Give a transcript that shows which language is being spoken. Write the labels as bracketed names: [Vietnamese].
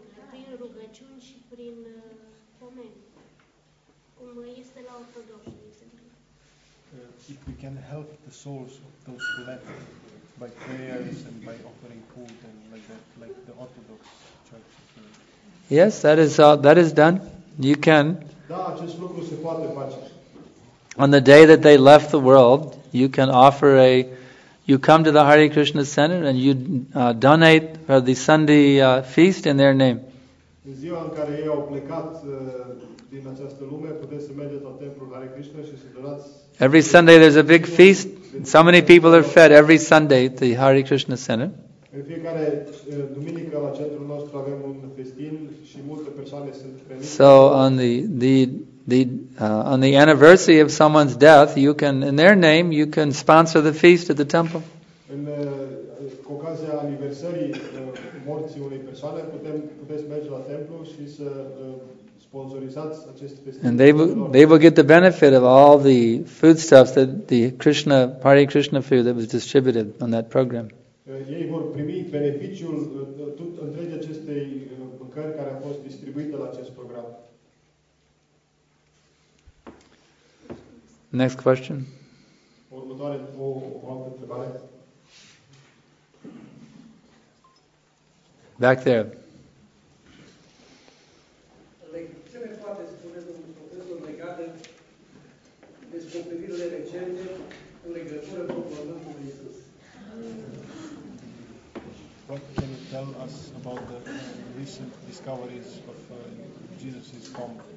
[Romanian] Prin rugăciuni și prin pomeni, cum este la ortodox, de exemplu. [English] if we can help the souls of those who left by prayers and by offering food and like that, like the Orthodox Church. Yes, that is done. You can. [Romanian] Da, acest lucru se poate face. [English] On the day that they left the world, you can offer a. You come to the Hare Krishna Center and you donate for the Sunday feast in their name. [Romanian] În ziua în care ei au plecat din această lume, puteți să mergeți la templul Hare Krishna și să donați. [English] Every Sunday there's a big feast. So many people are fed every Sunday at the Hare Krishna Center. [Romanian] În fiecare duminică la centrul nostru avem un festin și multe persoane sunt prezente. [English] So on the anniversary of someone's death, you can, in their name, you can sponsor the feast at the temple. [Romanian] În ocazia aniversării morții unei persoane, puteți merge la templu și să sponsorizați acest festival. [English] And they will get the benefit of all the foodstuffs that the Krishna Hare Krishna food that was distributed on that program. [Romanian] Ei vor primi beneficiul tot întregi acestei mâncări care a fost distribuită la acest program. [English] Next question. [Romanian] Următoare, o altă întrebare. [English] Back there. [Romanian] Ce ne poate spune domnul profesor legat de descoperirile recente în legătură cu Pământul lui Iisus? [English] What can you tell us about the recent discoveries of Jesus' tomb?